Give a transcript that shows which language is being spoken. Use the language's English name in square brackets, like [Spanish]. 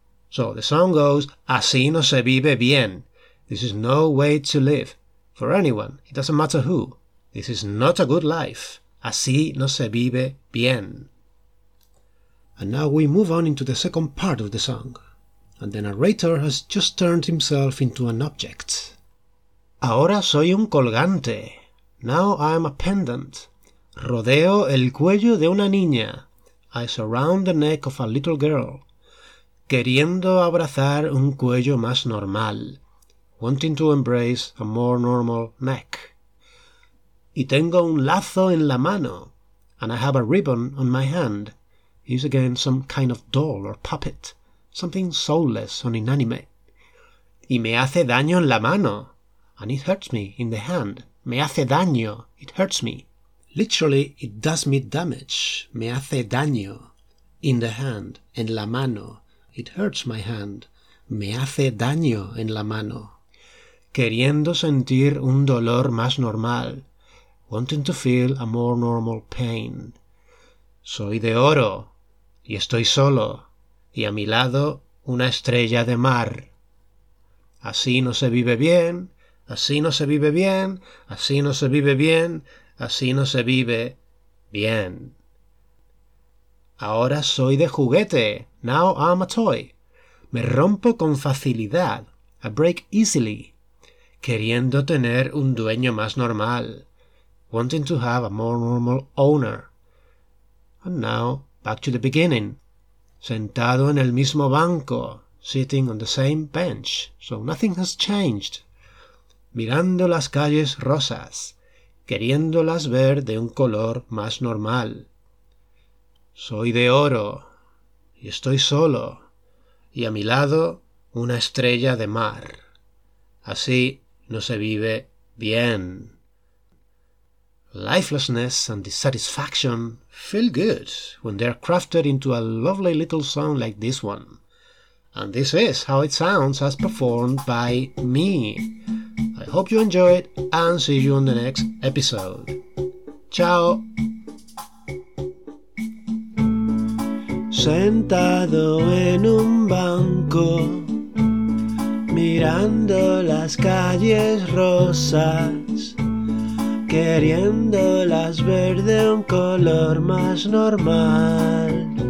[English] So the song goes, [Spanish] así no se vive bien. [English] This is no way to live. For anyone, it doesn't matter who. This is not a good life. [Spanish] Así no se vive bien. [English] And now we move on into the second part of the song. And the narrator has just turned himself into an object. [Spanish] Ahora soy un colgante. [English] Now I am a pendant. [Spanish] Rodeo el cuello de una niña. [English] I surround the neck of a little girl. [Spanish] Queriendo abrazar un cuello más normal. [English] Wanting to embrace a more normal neck. [Spanish] Y tengo un lazo en la mano. [English] And I have a ribbon on my hand. He's again some kind of doll or puppet. Something soulless or inanimate. [Spanish] Y me hace daño en la mano. [English] And it hurts me in the hand. [Spanish] Me hace daño. [English] It hurts me. Literally, it does me damage. [Spanish] Me hace daño. [English] In the hand. [Spanish] En la mano. [English] It hurts my hand. [Spanish] Me hace daño en la mano. Queriendo sentir un dolor más normal. [English] Wanting to feel a more normal pain. [Spanish] Soy de oro. Y estoy solo. Y a mi lado una estrella de mar. Así no se vive bien. Así no se vive bien. Así no se vive bien. Así no se vive bien. Ahora soy de juguete. [English] Now I'm a toy. [Spanish] Me rompo con facilidad. [English] I break easily. [Spanish] Queriendo tener un dueño más normal. [English] Wanting to have a more normal owner. And now, back to the beginning. [Spanish] Sentado en el mismo banco. [English] sitting on the same bench, so nothing has changed. [Spanish] Mirando las calles rosas, queriéndolas ver de un color más normal. Soy de oro, y estoy solo, y a mi lado una estrella de mar. Así no se vive bien. [English] Lifelessness and dissatisfaction feel good when they're crafted into a lovely little song like this one. And this is how it sounds as performed by me. I hope you enjoy it and see you on the next episode. [Italian] Ciao! [Spanish] Sentado en un banco, mirando las calles rosas, queriéndolas ver de un color más normal.